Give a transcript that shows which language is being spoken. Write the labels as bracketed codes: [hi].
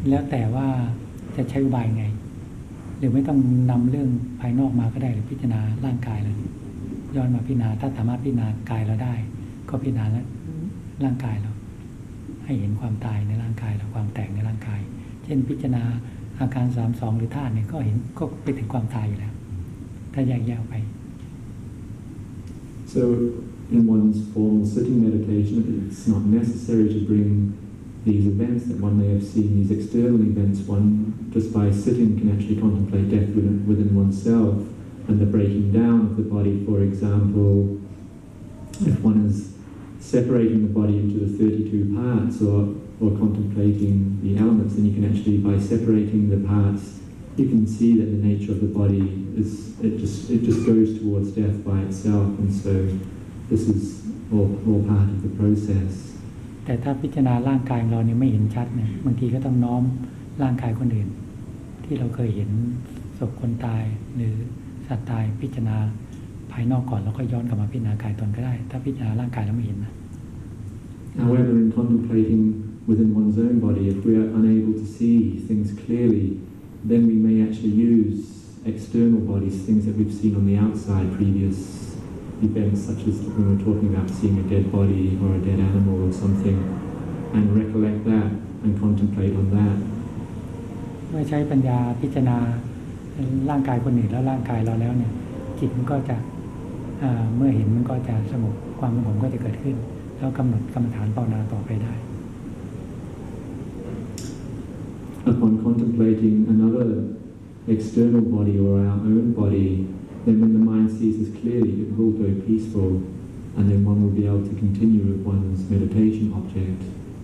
[th] แล้วแต่ว่าจะใช้อุบายไงหรือไม่ต้องนำเรื่องภายนอกมาก็ได้หรือพิจารณาร่างกายเลยย้อนมาพิจารณาถ้าสามารถพิจารณากายเราได้ก็พิจารณาร่างกายเราให้เห็นความตายในร่างกายเราความแตกในร่างกายเช่นพิจารณาอาการ32หรือธาตุเนี่ยก็เห็นก็ไปถึงความตายอยู่แล้วถ้าอยากยาวไป [en] So in one's formal sitting meditation it's not necessary to bring these events that one may have seen, these external events. One just by sitting can actually contemplate death within oneself and the breaking down of the body. For example, if one is separating the body into the 32 parts or contemplating the elements, then you can actually, by separating the parts, you can see that the nature of the body is, it just goes towards death by itself, and so this is all part of the process. [th] แต่ถ้าพิจารณาร่างกายเราเนี่ยไม่เห็นชัดเนี่ยบางทีก็ต้องน้อมร่างกายคนอื่นที่เราเคยเห็นศพคนตายหรือสัตว์ตายพิจารณาภายนอกก่อนแล้วก็ย้อนกลับมาพิจารณากายตนก็ได้ถ้าพิจารณาร่างกายแล้วไม่เห็นนะ [en] However, in contemplating within one's own body, if we are unable to see things clearly, then we may actually use external bodies, things that we've seen on the outside, previous events such as when we're talking about seeing a dead body or a dead animal or something, and recollect that and contemplate on that. [th] เมื่อใช้ปัญญาพิจารณาร่างกายคนอื่นแล้วร่างกายเราแล้วเนี่ยจิตมันก็จะเมื่อเห็นมันก็จะสงบความสงบก็จะเกิดขึ้นแล้วกำหนดกรรมฐานภาวนาต่อไปได้ [en] Upon contemplating another external body or our own body, then when the mind sees this clearly, it will go peaceful, and then one will be able to continue with one's meditation object.